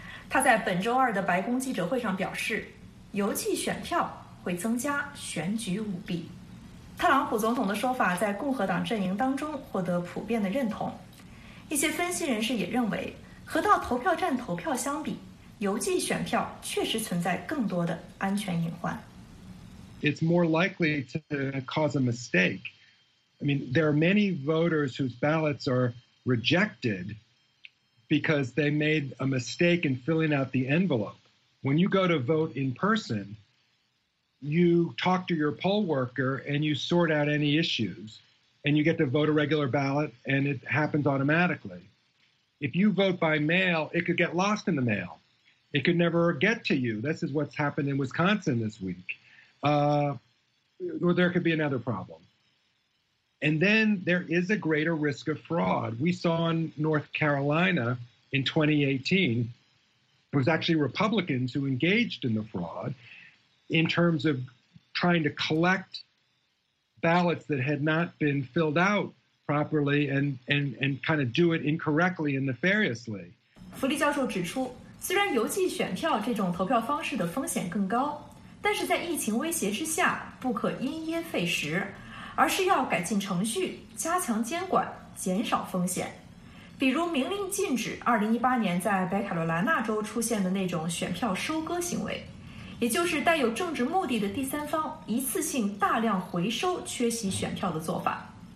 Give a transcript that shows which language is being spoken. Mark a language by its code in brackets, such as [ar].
[zh] 他在本周二的白宫记者会上表示，邮寄选票会增加选举舞弊。特朗普总统的说法在共和党阵营当中获得普遍的认同。一些分析人士也认为，和到投票站投票相比，邮寄选票确实存在更多的安全隐患。 [en] It's more likely to cause a mistake. I mean, there are many voters whose ballots are rejected because they made a mistake in filling out the envelope. When you go to vote in person, you talk to your poll worker and you sort out any issues, and you get to vote a regular ballot, and it happens automatically. If you vote by mail, it could get lost in the mail. It could never get to you. This is what's happened in Wisconsin this week. Or there could be another problem. And then there is a greater risk of fraud. We saw in North Carolina in 2018, it was actually Republicans who engaged in the fraud in terms of trying to collect ballots that had not been filled out properly and kind of do it incorrectly and nefariously. [zh] 福利教授指出，虽然邮寄选票这种投票方式的风险更高，但是在疫情威胁之下，不可因噎废食，而是要改进程序，加强监管，减少风险。比如明令禁止2018年在北卡罗来纳州出现的那种选票收割行为，也就是带有政治目的的第三方一次性大量回收缺席选票的做法。